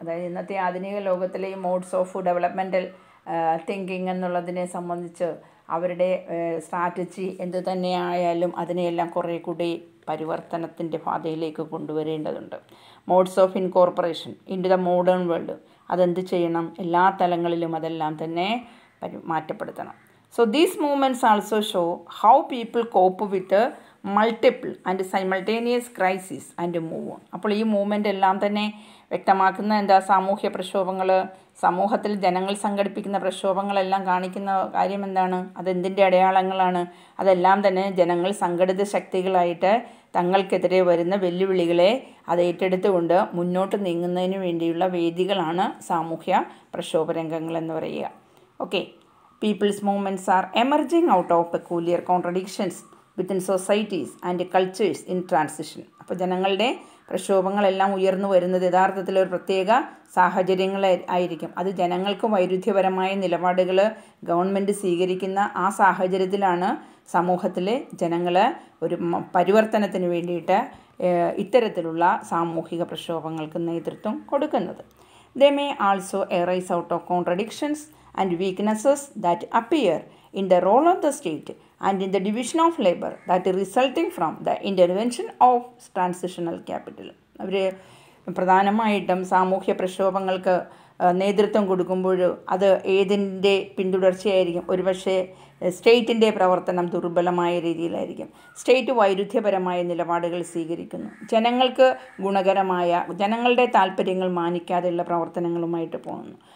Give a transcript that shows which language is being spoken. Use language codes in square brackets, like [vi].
[ml] അതായത് ഇന്നത്തെ ആധുനിക ലോകത്തിലെ ഈ മോഡ്സ് ഓഫ് ഡെവലപ്മെൻറ്റൽ തിങ്കിങ് എന്നുള്ളതിനെ സംബന്ധിച്ച് അവരുടെ സ്ട്രാറ്റജി എന്തു തന്നെയായാലും അതിനെയെല്ലാം കുറേ കൂടി പരിവർത്തനത്തിൻ്റെ പാതയിലേക്ക് കൊണ്ടുവരേണ്ടതുണ്ട്. [en] modes of incorporation into the modern world, [ml] അതെന്ത് ചെയ്യണം, എല്ലാ തലങ്ങളിലും അതെല്ലാം തന്നെ മാറ്റപ്പെടുത്തണം. [en] So these movements also show how people cope with multiple and simultaneous crises and move on. [ml] അപ്പോൾ ഈ മൂവ്മെൻ്റ് എല്ലാം തന്നെ വ്യക്തമാക്കുന്ന എന്താ, സാമൂഹ്യ പ്രക്ഷോഭങ്ങൾ, സമൂഹത്തിൽ ജനങ്ങൾ സംഘടിപ്പിക്കുന്ന പ്രക്ഷോഭങ്ങളെല്ലാം കാണിക്കുന്ന കാര്യം എന്താണ്, അതെന്തിൻ്റെ അടയാളങ്ങളാണ്, അതെല്ലാം തന്നെ ജനങ്ങൾ സംഘടിത ശക്തികളായിട്ട് തങ്ങൾക്കെതിരെ വരുന്ന വെല്ലുവിളികളെ അത് ഏറ്റെടുത്തുകൊണ്ട് മുന്നോട്ട് നീങ്ങുന്നതിന് വേണ്ടിയുള്ള വേദികളാണ് സാമൂഹ്യ പ്രക്ഷോഭ രംഗങ്ങൾ എന്ന് പറയുക. [en] Okay, People's movements are emerging out of peculiar contradictions within societies and cultures in transition. [ml] അപ്പോൾ ജനങ്ങളുടെ പ്രക്ഷോഭങ്ങളെല്ലാം ഉയർന്നു വരുന്നത് യഥാർത്ഥത്തിൽ ഒരു പ്രത്യേക സാഹചര്യങ്ങളായിരിക്കും. അത് ജനങ്ങൾക്ക് വൈരുദ്ധ്യപരമായ നിലപാടുകൾ ഗവൺമെൻറ് സ്വീകരിക്കുന്ന ആ സാഹചര്യത്തിലാണ് സമൂഹത്തിലെ ജനങ്ങൾ ഒരു പരിവർത്തനത്തിന് വേണ്ടിയിട്ട് ഇത്തരത്തിലുള്ള സാമൂഹിക പ്രക്ഷോഭങ്ങൾക്ക് നേതൃത്വം കൊടുക്കുന്നത്. [en] They may also arise out of contradictions and weaknesses that appear in the role of the state and in the division of labor that is resulting from the intervention of transitional capital. [ml] അവർ പ്രധാനമായിട്ടും സാമൂഹ്യ പ്രക്ഷോഭങ്ങൾക്ക് നേതൃത്വം കൊടുക്കുമ്പോൾ അത് ഏതിൻ്റെ പിന്തുടർച്ചയായിരിക്കും, ഒരുപക്ഷെ സ്റ്റേറ്റിൻ്റെ പ്രവർത്തനം ദുർബലമായ രീതിയിലായിരിക്കും. സ്റ്റേറ്റ് വൈരുദ്ധ്യപരമായ നിലപാടുകൾ സ്വീകരിക്കുന്നു, ജനങ്ങൾക്ക് ഗുണകരമായ ജനങ്ങളുടെ താല്പര്യങ്ങൾ മാനിക്കാതെയുള്ള പ്രവർത്തനങ്ങളുമായിട്ട് പോകുന്നു.